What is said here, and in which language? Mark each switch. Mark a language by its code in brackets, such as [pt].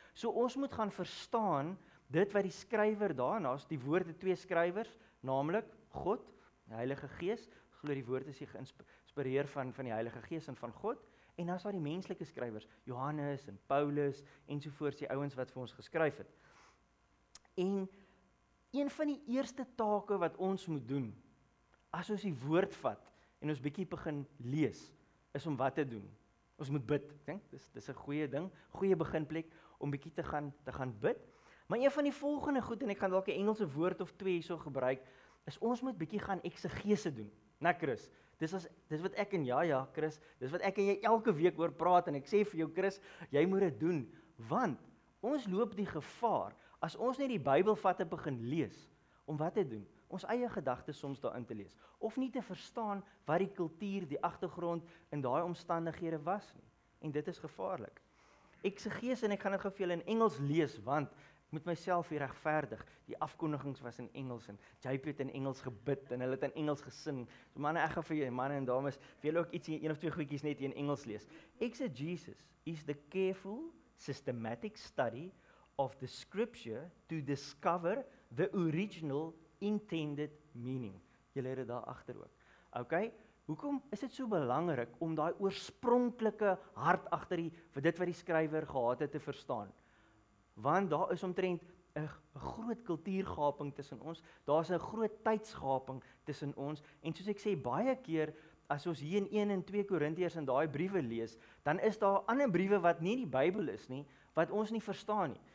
[af] So ons moet gaan verstaan dit wat die skrywer daarna is, die woorde twee skrywers, naamlik God, die Heilige Gees, glo die woord is die geïnspireer van die Heilige Gees en van God, en dan is daar die menslike skrywers, Johannes en Paulus en sovoorts die ouens wat vir ons geskryf het. En een van die eerste take wat ons moet doen, as ons die woord vat en ons bietjie begin lees, is om wat te doen. Ons moet bid, dink, dis 'n goeie ding, goeie beginplek om bietjie te gaan bid. Maar een van die volgende goed, en ek gaan dalk 'n Engelse woord of twee hierso gebruik, is ons moet bietjie gaan eksegese doen. Na Chris, dis wat ek en ja Chris, dis wat ek en jy elke week oor praat en ek sê vir jou Chris, jy moet dit doen, want ons loop die gevaar, as ons net die Bybel vat en begin lees, om wat te doen? Ons eie gedagtes soms daarin te lees, of nie te verstaan wat die kultuur, die agtergrond in daai omstandighede was nie. En dit is gevaarlik. Eksegese, en ek gaan dit gou vir julle in Engels lees, want ek moet myself hier regverdig. Die afkondigings was in Engels, en JP het in Engels gebid, en hulle het in Engels gesing. So manne, ek gaan vir julle, manne en dames, vir julle ook iets, een of twee goedjies net in Engels lees. [en] Exegesis is the careful, systematic study of the scripture to discover the original intended meaning. [af] Julle het dit daar agter ook. OK, hoekom is dit so belangrik om daai oorspronklike hart agter die vir dit wat die skrywer gehad het te verstaan? Want daar is omtrent 'n groot kultuurgaping tussen ons. Daar's 'n groot tydsgaping tussen ons en soos ek sê baie keer as ons hier in 1 en 2 Korintiërs en daai briewe lees, dan is daar ander briewe wat nie die Bybel is nie, wat ons nie verstaan nie.